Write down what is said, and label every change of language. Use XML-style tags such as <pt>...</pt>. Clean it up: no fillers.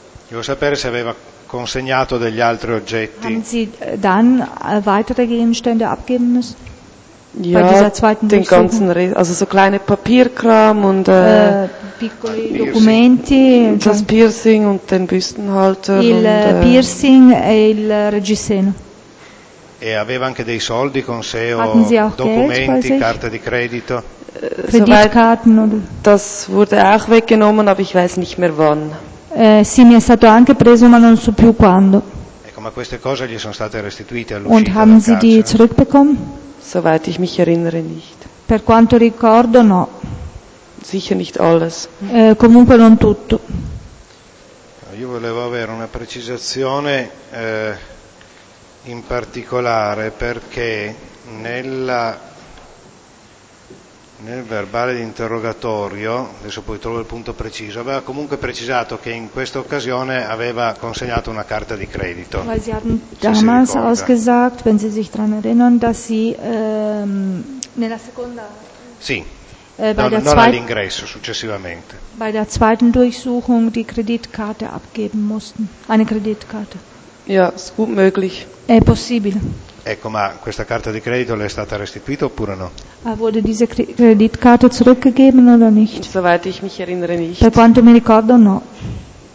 <it>Devo sapere se aveva consegnato degli altri oggetti.</it> <de>Haben sie dann weitere Gegenstände abgeben müssen? Ja, den ganzen Rest, also so kleine Papierkram und</de> <it>piccoli Piercing. Documenti,</it> <de>das Piercing und den Büstenhalter.</de> <it>Il Piercing e il Reggiseno. E aveva anche dei soldi con sé o documenti, carte di credito?</it> <de>Kreditkarten oder? Das wurde auch weggenommen, aber ich weiß nicht mehr wann.</de> <it>Sì, mi è stato anche preso, ma non so più quando. Ecco, ma queste cose gli sono state restituite all'uscita.</it> <de>Und haben Sie die zurückbekommen? Soweit ich mich erinnere, nicht.</de> <it>Per quanto ricordo, no.</it> <de>Sicher nicht alles.</de> <it>Comunque non tutto. Io volevo avere una precisazione in particolare perché nel verbale di interrogatorio, adesso poi trovo il punto preciso, aveva comunque precisato che in questa occasione aveva consegnato una carta di credito.</it> <de>Weil sie hatten damals ausgesagt, wenn sie sich daran erinnern, dass sie</de> <it>nella seconda. Sì, non all'ingresso, successivamente.</it> <de>Bei der zweiten Durchsuchung die Kreditkarte abgeben mussten. Eine Kreditkarte. Ja, ist gut möglich.</de> <it>È possibile. Ecco, ma questa carta di credito le è stata restituita oppure no?</it> <de>Wurde diese Kreditkarte zurückgegeben oder nicht? Soweit ich mich erinnere, nicht.</de> <it>Per quanto mi ricordo, no.</it>